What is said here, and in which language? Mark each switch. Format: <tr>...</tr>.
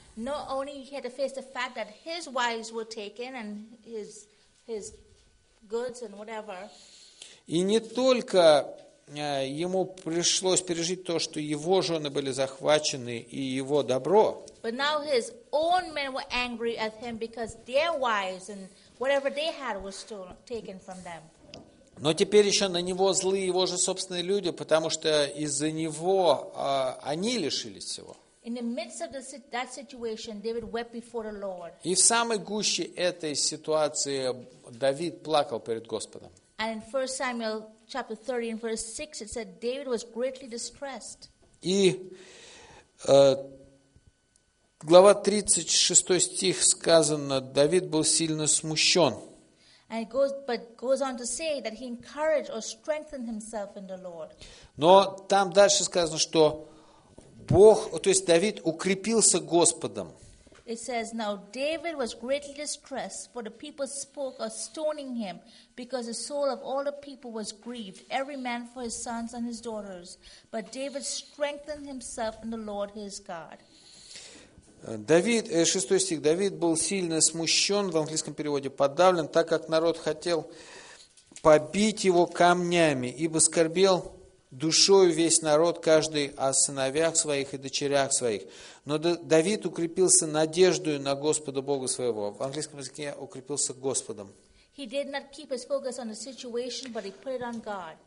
<en>Not only he had to face the fact that his wives were taken and his goods and whatever.</en> <ru>И не только ему пришлось пережить то, что его жены были захвачены и его добро.</ru> <en>But now his own men were angry at him because their wives and whatever they had was stolen, taken from them.</en> <ru>Но теперь еще на него злые его же собственные люди, потому что из-за него они лишились всего.</ru> <en>In the midst of that situation, David wept before the Lord.</en> <ru>И в самой гуще этой ситуации Давид плакал перед Господом.</ru> <en>And in 1 Samuel chapter 30 and verse 6, it said David was greatly distressed.</en> <ru>И глава 36 стих сказано, Давид был сильно смущен.</ru> <en>And it goes on to say that he encouraged or strengthened himself in the Lord.</en> <ru>Но там дальше сказано, что Бог, то есть Давид укрепился Господом.</ru> <en>It says, now David was greatly distressed, for the people spoke of stoning him, because the soul of all the people was grieved, every man for his sons and his daughters. But David strengthened himself in the Lord his God.</en> <ru>Давид, 6 стих, Давид был сильно смущен, в английском переводе подавлен, так как народ хотел побить его камнями, ибо скорбел душою весь народ, каждый о сыновях своих и дочерях своих. Но Давид укрепился надеждою на Господа Бога своего. В английском языке укрепился Господом.</ru> <en>He did not keep his focus on the situation, but he put it on God.</en>